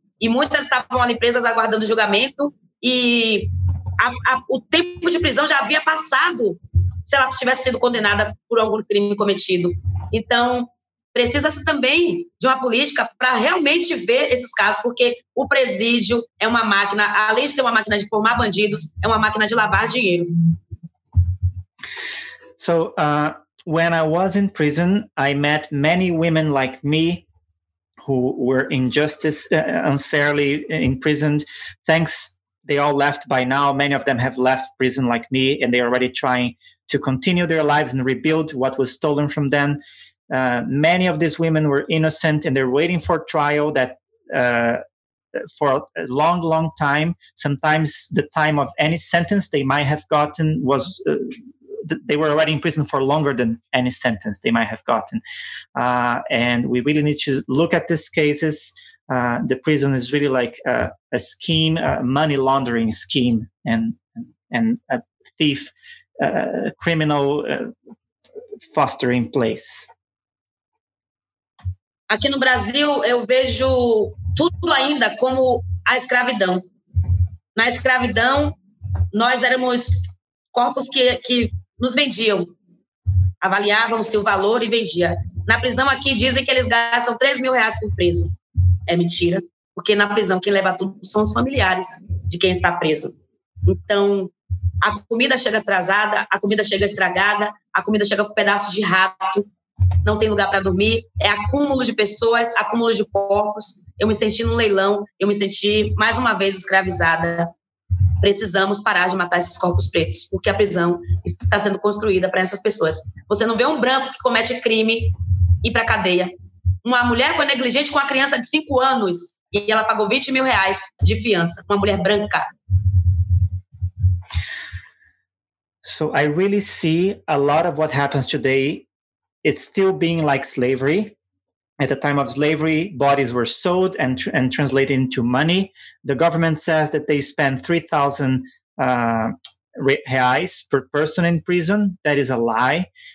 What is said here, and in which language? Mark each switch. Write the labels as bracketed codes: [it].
[pt] E muitas estavam ali presas aguardando julgamento e o tempo de prisão já havia passado se ela tivesse sido condenada por algum crime cometido. Então, precisa-se também de uma política para realmente ver esses casos, porque o presídio é uma máquina, além de ser uma máquina de formar bandidos, é uma máquina de lavar dinheiro. [en] So, when I was in prison, I met many women like me who were unfairly imprisoned. Thanks, they all left by now. Many of them have left prison like me, and they are already trying to continue their lives and rebuild what was stolen from them. Many of these women were innocent, and they're waiting for trial that for a long, long time. Sometimes the time of any sentence they might have gotten was they were already in prison for longer than any sentence they might have gotten. And we really need to look at these cases. The prison is really like a scheme, a money laundering scheme, and a thief, criminal fostering place. [pt] Aqui no Brasil, eu vejo tudo ainda como a escravidão. Na escravidão, nós éramos corpos que nos vendiam. Avaliavam-se o valor e vendia. Na prisão aqui, dizem que eles gastam R$3.000 por preso. É mentira, porque na prisão quem leva tudo são os familiares de quem está preso. Então, a comida chega atrasada, a comida chega estragada, a comida chega com um pedaço de rato. Não tem lugar para dormir, é acúmulo de pessoas, acúmulo de corpos. Eu me senti num leilão, eu me senti mais uma vez escravizada. Precisamos parar de matar esses corpos pretos, porque a prisão está sendo construída para essas pessoas. Você não vê um branco que comete crime ir para a cadeia. Uma mulher foi negligente com uma criança de 5 anos e ela pagou R$20.000 de fiança, uma mulher branca. [en] So I really see a lot of what happens today. It's still being like slavery. At the time of slavery, bodies were sold and translated into money. The government says that they spend 3,000 reais per person in prison. That is a lie.